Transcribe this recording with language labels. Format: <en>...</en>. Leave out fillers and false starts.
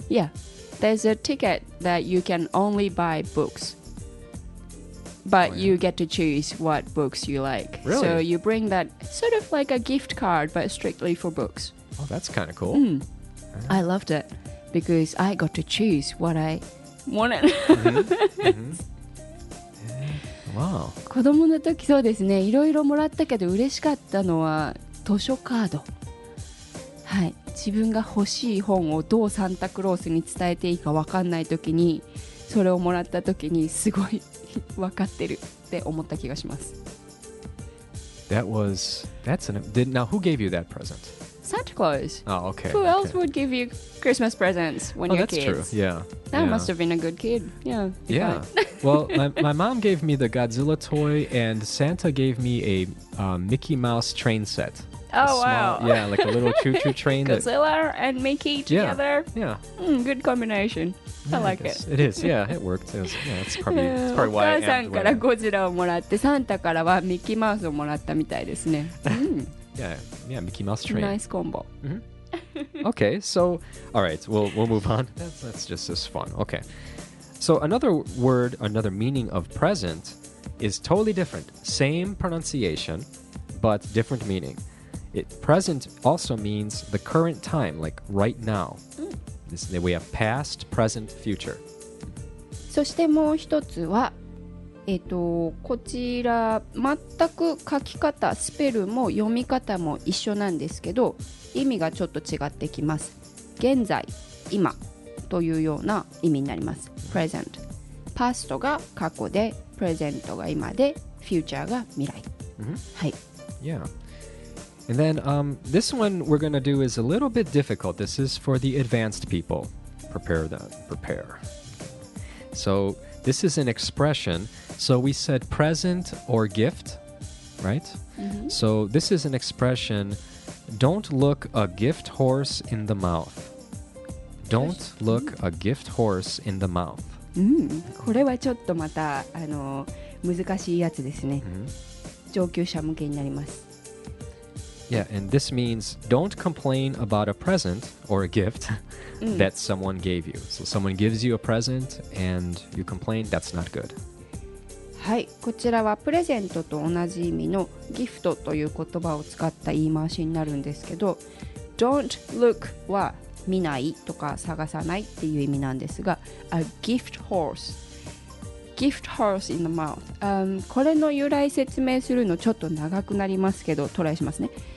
<en>Yeah. There's a ticket that you can only buy books. But oh, yeah. you get to choose what books you like. Really? So you bring that sort of like a gift card, but strictly for books. Oh, that's kind of cool. Mm. Yeah. I loved it because I got to choose what I wanted. Wow.</en> <ja>子供の時そうですね、いろいろもらったけど嬉しかったのは図書カード。はい、自分が欲しい本をどうサンタクロースに伝えていいか分かんない時にそれをもらった時にすごい分かってるって思った気がします。</ja> <en>That was that's an did now who gave you that present? Santa Claus. Oh, okay. Who else would give you Christmas presents when you're kids? Oh, that's true. Yeah. That yeah. must have been a good kid. Yeah. Yeah. Well, my mom gave me the Godzilla toy, and Santa gave me a Mickey Mouse train set. Oh, wow. Small, yeah, like a little choo-choo train. Godzilla that, and Mickey together? Yeah. Good combination. Yeah, I like it. It is. Yeah, it worked. It was, yeah, it's probably, yeah, it's probably why I am.</en> <ja>お母さんからゴジラをもらって、サンタからはミッキーマウスをもらったみたいですね。</ja> <en>Yeah, Mickey Mouse train. Nice combo. Mm-hmm. Okay, so, all right, we'll move on. That's just as fun. Okay. So another word, another meaning of present is totally different. Same pronunciation, but different meaning. It, present also means the current time, like right now. This, we have past, present, future.</en> <ja>そしてもう一つは、こちら全く書き方、スペルも読み方も一緒なんですけど、意味がちょっと違ってきます。現在、今というような意味になります。 Present。 Past が過去で、Present が今で、Future が未来。 Mm-hmm. はい。</ja> <en>Yeah. And then, this one we're going to do is a little bit difficult. This is for the advanced people. Prepare them. Prepare. So, this is an expression. So, we said present or gift, right? Mm-hmm. So, this is an expression. Don't look a gift horse in the mouth. Don't look a gift horse in the mouth.</en> <ja>これはちょっとまた難しいやつですね。上級者向けになります。</ja> <en>Yeah, and this means don't complain about a present or a gift that someone gave you. So someone gives you a present and you complain, that's not good.</en> <ja>はい、こちらはプレゼントと同じ意味のギフトという言葉を使った言い回しになるんですけど、 don't look は見ないとか探さないっていう意味なんですが、</ja> <en>a gift horse gift horse in the mouth、</en> <ja>これの由来説明するのちょっと長くなりますけどトライしますね。</ja>